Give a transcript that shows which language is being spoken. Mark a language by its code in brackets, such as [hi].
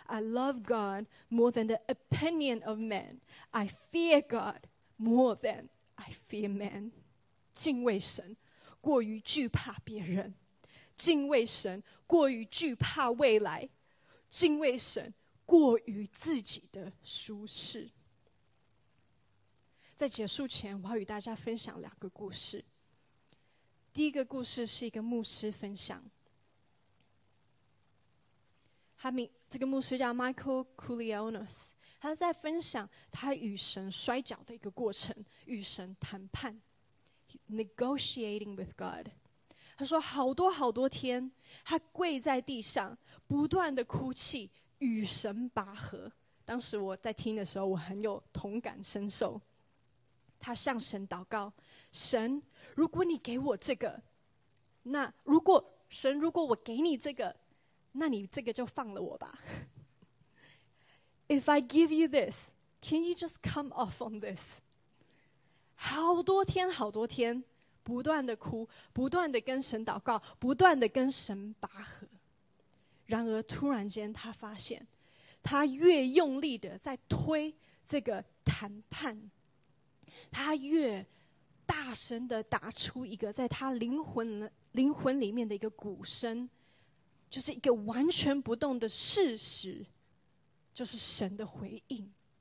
[en] I love God more than the opinion of man. I fear God more than I fear man. [zh] 敬畏神过于惧怕别人，敬畏神过于惧怕未来，敬畏神过于自己的舒适。在结束前，我要与大家分享两个故事。第一个故事是一个牧师分享，这个牧师叫 Michael Koulianos， 他在分享他与神摔跤的一个过程，与神谈判， [en] Negotiating with God。 [zh] 他说好多好多天他跪在地上不断的哭泣与神拔河。当时我在听的时候，我很有同感深受。他向神祷告，神，如果你给我这个，那如果神，如果我给你这个，那你这个就放了我吧。 [en] If I give you this, can you just come off on this? [zh] 好多天好多天不断的哭，不断的跟神祷告，不断的跟神拔河。然而突然间他发现，他越用力的在推这个谈判，他越大声的打出一个在他灵魂里面的一个鼓声，就是一个完全不动的事实，就是神的回应。